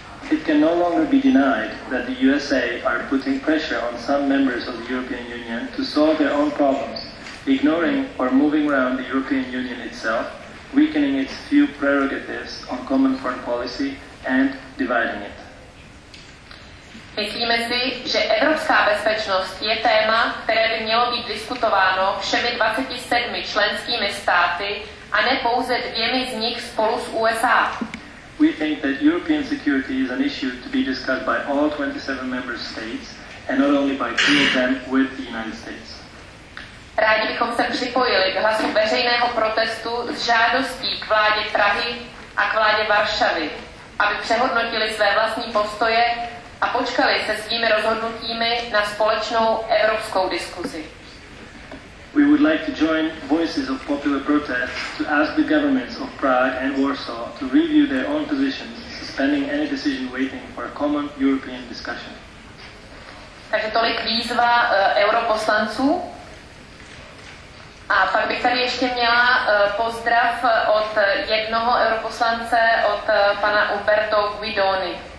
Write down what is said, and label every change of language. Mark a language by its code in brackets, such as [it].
[en] It can no longer be denied that the USA are putting pressure on some members of the European Union to solve their own problems, ignoring or moving around the European Union itself, weakening its few prerogatives on common foreign policy and dividing it. [cs] Myslíme si, že evropská bezpečnost je téma, které by mělo být diskutováno všemi 27 členskými státy a ne pouze dvěmi z nich spolu s USA. [en] We think that European security is an issue to be discussed by all 27 member states and not only by two of them with the United States. [cs] Rádi bychom se připojili k hlasu veřejného protestu s žádostí k vládě Prahy a k vládě Varšavy, aby přehodnotili své vlastní postoje a počkali se svými rozhodnutími na společnou evropskou diskuzi. [en] We would like to join voices of popular protest to ask the governments of Prague and Warsaw to review their own positions, suspending any decision waiting for a common European discussion. [cs] Takže tolik výzva europoslanců. A pak bych tady ještě měla pozdrav od jednoho europoslance, od pana Umberto Guidoni.